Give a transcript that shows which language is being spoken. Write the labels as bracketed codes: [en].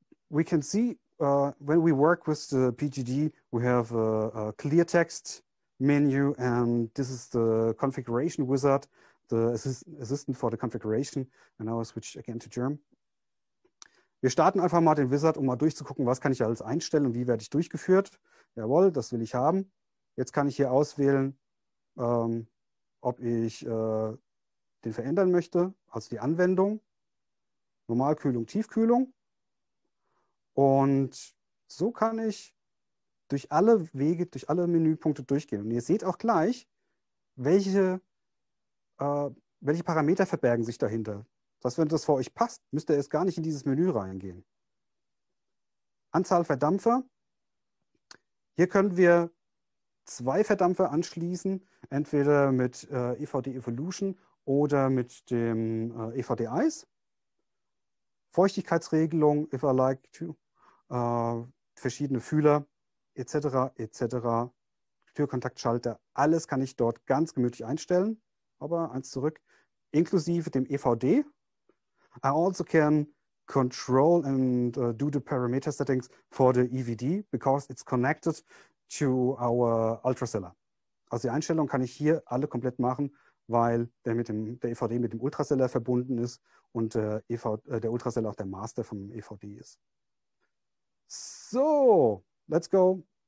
[en] We can see, when we work with the PGD, we have a clear text menu, and this is the configuration wizard, the assistant for the configuration. And now I switch again to German. [de] Wir starten einfach mal den Wizard, um mal durchzugucken, was kann ich alles einstellen und wie werde ich durchgeführt. Jawohl, das will ich haben. Jetzt kann ich hier auswählen, ob ich den verändern möchte, also die Anwendung, Normalkühlung, Tiefkühlung. Und so kann ich durch alle Wege, durch alle Menüpunkte durchgehen. Und ihr seht auch gleich, welche Parameter verbergen sich dahinter. Das heißt, wenn das für euch passt, müsst ihr erst gar nicht in dieses Menü reingehen. Anzahl Verdampfer. Hier können wir zwei Verdampfer anschließen, entweder mit EVD Evolution oder mit dem EVD Ice. Feuchtigkeitsregelung, [en] if I like to, [de] verschiedene Fühler, etc., etc., Türkontaktschalter, alles kann ich dort ganz gemütlich einstellen. Aber eins zurück, inklusive dem EVD. [en] I also can control and do the parameter settings for the EVD, because it's connected to our Ultraseller. [de] Also die Einstellung kann ich hier alle komplett machen, weil der, mit dem, der EVD mit dem Ultraseller verbunden ist und der Ultraseller auch der Master vom EVD ist. [en] So. Let's go.